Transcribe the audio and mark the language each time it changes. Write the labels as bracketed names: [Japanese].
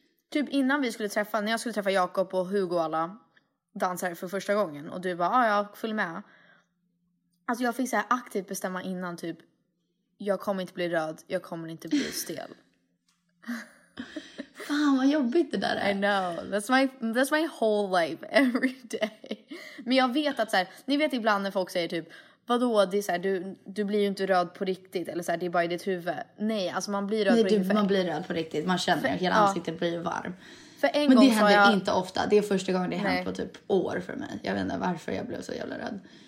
[Swedish] Typ innan vi skulle träffa, när jag skulle träffa Jakob och Hugo och alla dansare för första gången. Och du bara, ja, följ med. Alltså jag fick så här aktivt bestämma innan typ, jag kommer inte bli röd, jag kommer inte bli stel. Fan vad jobbigt det där är. [English] I know, that's my whole life every day. [Swedish] Men jag vet att så här, ni vet ibland när folk säger typ, vadå, det är så här, du blir ju inte röd på riktigt, eller så här, det är bara i ditt huvud. Nej, alltså man blir röd på riktigt. Man blir röd på riktigt, man känner för, hela ansiktet blir varm. För en men det gång händer jag, inte ofta, det är första gången det hänt på typ år för mig. Jag vet inte varför jag blev så jävla röd.